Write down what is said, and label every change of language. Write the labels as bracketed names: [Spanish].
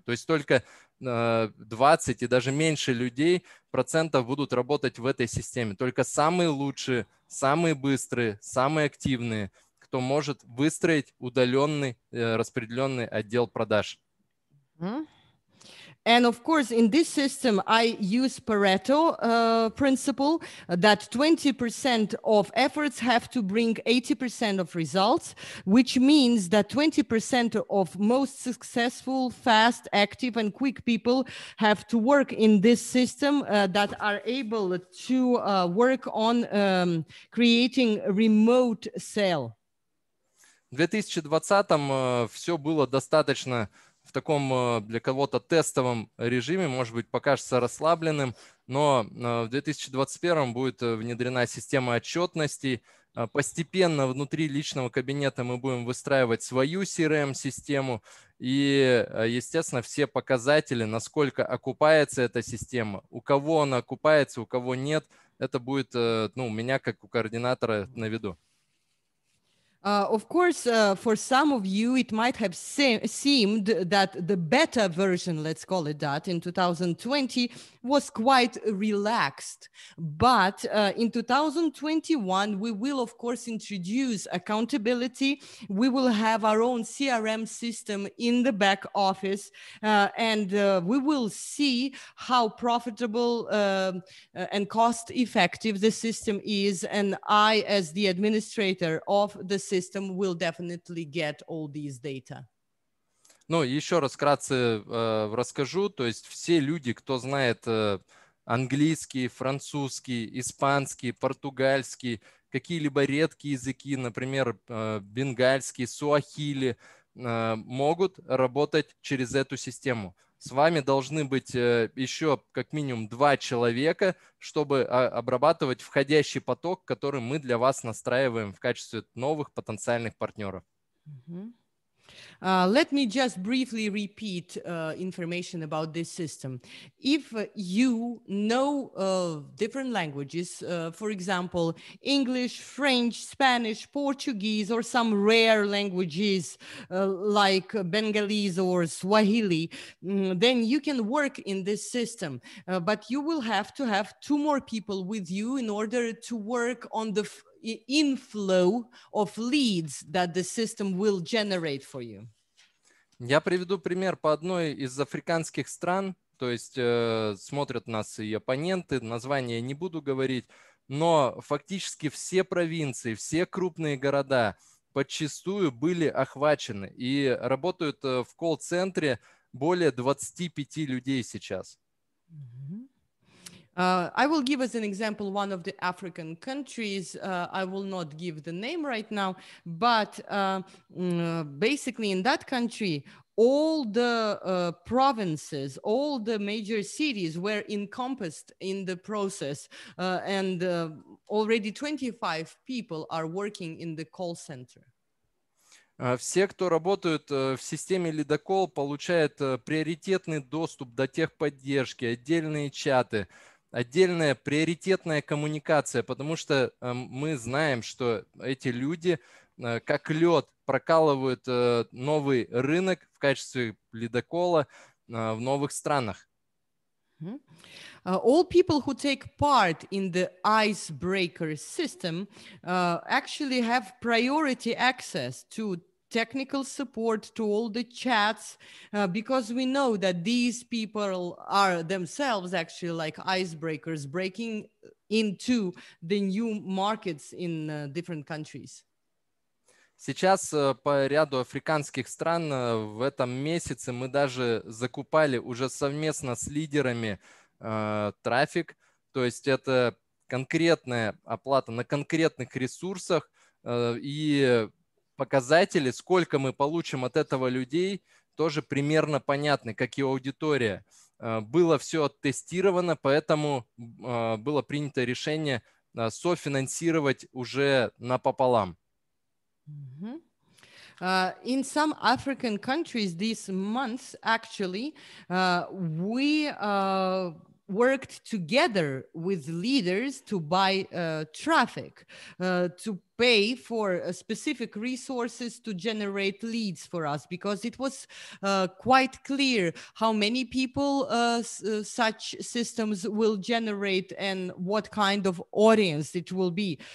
[Russian] То есть только 20 и даже меньше людей процентов будут работать в этой системе. Только самые лучшие, самые быстрые, самые активные, кто может выстроить удаленный распределенный отдел продаж. [English] And of course, in this system, I use Pareto principle that 20% of efforts have to bring 80% of results, which means that 20% of most successful, fast, active, and quick people have to work in this system that are able to work on creating remote sale. [Russian] В 2020-м все было достаточно в таком для кого-то тестовом режиме, может быть, покажется расслабленным, но в 2021 будет внедрена система отчетности. Постепенно внутри личного кабинета мы будем выстраивать свою CRM-систему. И, естественно, все показатели, насколько окупается эта система, у кого она окупается, у кого нет, это будет ну, у меня как у координатора на виду. [English] Of course, for some of you, it might have seemed that the beta version, let's call it that, in 2020 was quite relaxed. But in 2021, we will, of course, introduce accountability. We will have our own CRM system in the back office, and we will see how profitable and cost effective the system is. And I, as the administrator of the system, system will definitely get all these data. [Russian] Ну, еще раз вкратце расскажу. То есть все люди, кто знает английский, французский, испанский, португальский, какие-либо редкие языки, например, бенгальский, суахили, могут работать через эту систему. С вами должны быть еще как минимум два человека, чтобы обрабатывать входящий поток, который мы для вас настраиваем в качестве новых потенциальных партнеров. [English] Let me just briefly repeat information about this system. If you know different languages, for example, English, French, Spanish, Portuguese, or some rare languages like Bengalese or Swahili, then you can work in this system. But you will have to have two more people with you in order to work on the inflow of leads that the system will generate for you. [Russian] Я приведу пример по одной из африканских стран, то есть смотрят нас и оппоненты, название не буду говорить, но фактически все провинции, все крупные города подчистую были охвачены и работают в колл-центре более 25 людей сейчас. [English] I will give as an example one of the African countries. I will not give the name right now, but basically in that country, all the provinces, all the major cities were encompassed in the process, and already 25 people are working in the call center. [Russian] Все, кто работают в системе Lidocall, получают приоритетный доступ до техподдержки, отдельные чаты, отдельная приоритетная коммуникация, потому что мы знаем, что эти люди как лед прокалывают новый рынок в качестве ледокола в новых странах. [English] All people who take part in the icebreaker system actually have priority access to technical support, to all the chats, because we know that these people are themselves actually like icebreakers breaking into the new markets in different countries. [Russian] Сейчас по ряду африканских стран в этом месяце мы даже закупали уже совместно с лидерами трафик, то есть это конкретная оплата на конкретных ресурсах и показатели, сколько мы получим от этого людей, тоже примерно понятны, как и аудитория. было все оттестировано, поэтому было принято решение софинансировать уже напополам. [English] In some African countries this month, actually, we worked together with leaders to buy traffic, to pay for specific resources to generate leads for us, because it was quite clear how many people such systems will generate and what kind of audience it will be.